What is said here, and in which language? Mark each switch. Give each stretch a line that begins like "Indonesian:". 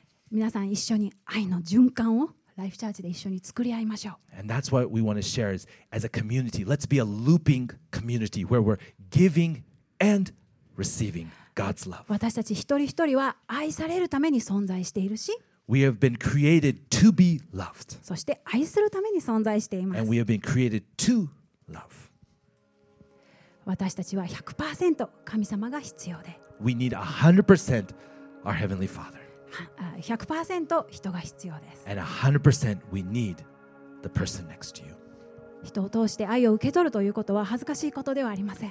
Japanese: 皆さん一緒に愛の循環を。ライフチャージで一緒に作り合いましょう。
English: And that's what we want to share is as a community. Let's be a looping community where we're giving and receiving God's love.
Japanese: 私たち一人一人は愛されるために存在しているし、
English: We have been created to be loved.
Japanese: そして愛するために存在しています。
English: And we have been created to love.
Japanese: 私たちは 100% 神様が必要で、
English: We need 100% our Heavenly Father.
Japanese: 100% 人が必要です。
English: And 100% we need the person next to you.
Japanese: 人を通して愛を受け取るということは恥ずかしいことではありません。